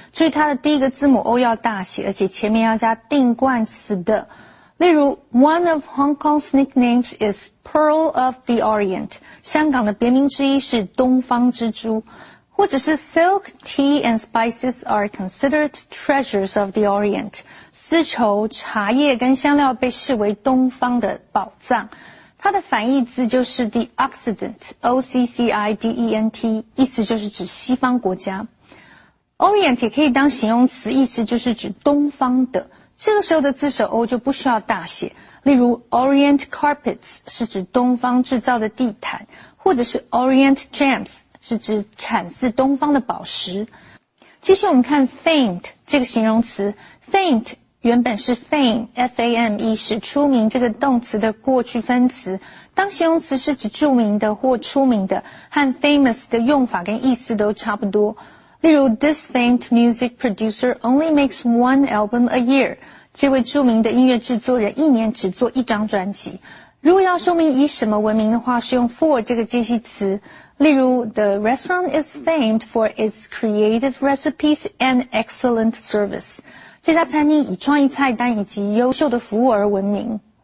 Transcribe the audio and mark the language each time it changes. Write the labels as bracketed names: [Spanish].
[Chinese] 注意它的第一个字母 O 要大写，而且前面要加定冠词的。例如 [English] ，One of Hong Kong's nicknames is Pearl of the Orient. [Chinese] 香港的别名之一是东方之珠。或者是 [English] Silk, tea and spices are considered treasures of the Orient. [Chinese] 丝绸、茶叶跟香料被视为东方的宝藏。它的反义字就是 the Occident, O-C-C-I-D-E-N-T, 意思就是指西方国家。 Orient 也可以当形容词，意思就是指东方的。这个时候的字首 O 就不需要大写。例如 Orient carpets 是指东方制造的地毯，或者是 Orient gems 是指产自东方的宝石。继续我们看 faint 这个形容词， faint原本是 fame, F-A-M-E, 是出名这个动词的过去分词。当形容词是指著名的或出名的，和 famous 的用法跟意思都差不多。例如 [English] ,this famed music producer only makes one album a year. [Chinese] 这位著名的音乐制作人一年只做一张专辑。如果要说明以什么闻名的话，是用 for 这个介系词。例如 [English] ,the restaurant is famed for its creative recipes and excellent service. [Chinese] 这家餐厅以创意菜单以及优秀的服务而闻名。